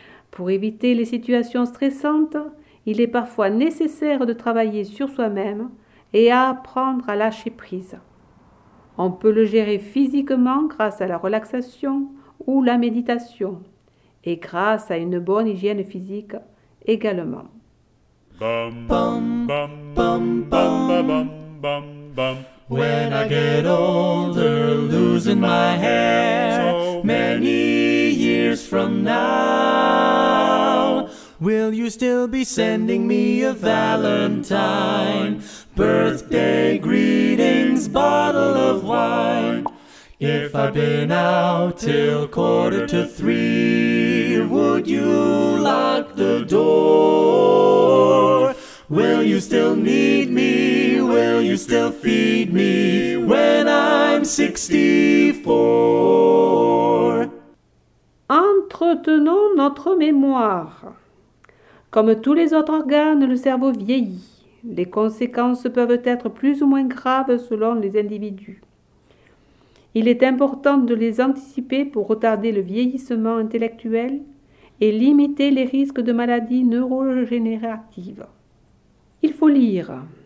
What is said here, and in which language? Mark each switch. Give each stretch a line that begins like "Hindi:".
French: Pour éviter les situations stressantes, il est parfois nécessaire de travailler sur soi-même et à apprendre à lâcher prise. On peut le gérer physiquement grâce à la relaxation ou la méditation, et grâce à une bonne hygiène physique également. Bam, bam, bam, bam, bam, bam, bam, bam, bam.
English: When I get older, losing my hair, many years from now, will you still be sending me a valentine, birthday greetings, bottle of wine? If I've been out till 2:45, would you lock the door? Will you still need me? Will you still feed me when I'm 64?
French: Entretenons notre mémoire. Comme tous les autres organes, le cerveau vieillit. Les conséquences peuvent être plus ou moins graves selon les individus. Il est important de les anticiper pour retarder le vieillissement intellectuel et limiter les risques de maladies neurodégénératives. Il faut lire.